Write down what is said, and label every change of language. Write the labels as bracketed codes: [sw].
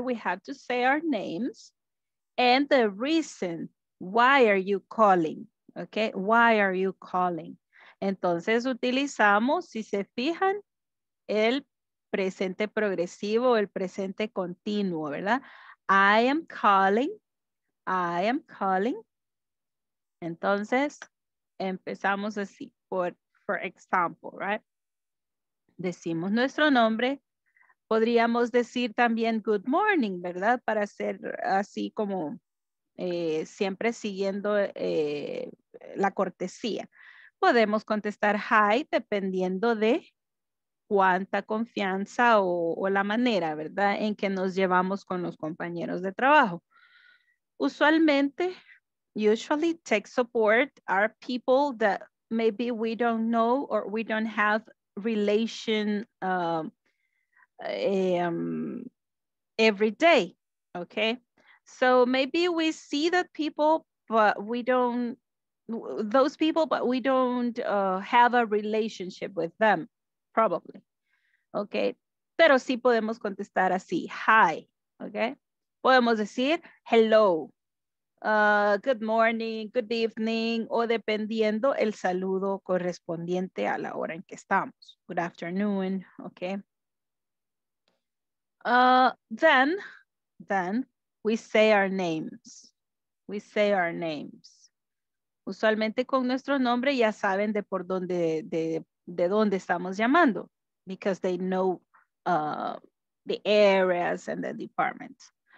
[en] We have to say our names and the reason. Why are you calling? Okay, why are you calling? [es] Entonces utilizamos, si se fijan, el presente progresivo, el presente continuo, ¿verdad? [en] I am calling, I am calling. [es] Entonces empezamos así, [en] for example, right? [es] Decimos nuestro nombre. Podríamos decir también [en] good morning, [es] ¿verdad? Para hacer así como siempre siguiendo la cortesía. Podemos contestar hi dependiendo de cuánta confianza o la manera, ¿verdad? En que nos llevamos con los compañeros de trabajo. [en] Usualmente, usually tech support are people that maybe we don't know or we don't have relation every day, okay? So maybe we see that people, but we don't, those people, but we don't have a relationship with them, probably, okay? [es] Pero sí podemos contestar así, hi, okay? Podemos decir [en] hello, good morning, good evening, [es] o dependiendo el saludo correspondiente a la hora en que estamos, [en] good afternoon, [es] okay? [en] Then we say our names. We say our names. [es] Usualmente con nuestro nombre ya saben de por dónde, de dónde estamos llamando. [en] Because they know the areas and the departments.